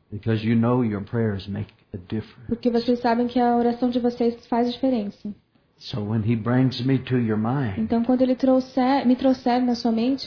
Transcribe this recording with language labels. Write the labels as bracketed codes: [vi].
[en] Because you know your prayers make a difference. [pt] Porque vocês sabem que a oração de vocês faz diferença. [en] So when he brings me to your mind, [pt] então quando ele me trouxer na sua mente,